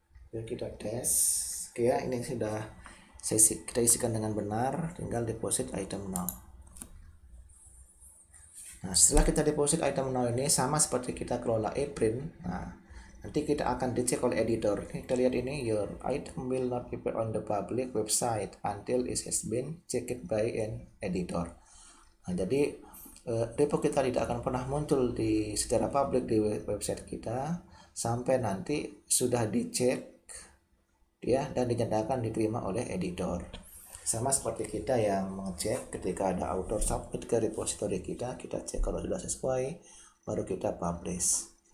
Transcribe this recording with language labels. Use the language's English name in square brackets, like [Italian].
[Indonesian] Biar kita tes. Oke ya, ini sudah kita isikan dengan benar, tinggal deposit item now. Nah, setelah kita deposit item now ini sama seperti kita kelola apron. Nah, nanti kita akan dicek oleh editor. Kita lihat ini, [English] your item will not appear on the public website until it has been checked by an editor. [Indonesian] Nah, jadi repo kita tidak akan pernah muncul di secara publik di website kita sampai nanti sudah dicek ya, dan dinyatakan diterima oleh editor. Sama seperti kita yang mengecek ketika ada author submit ke repository kita, kita cek kalau sudah sesuai baru kita publish.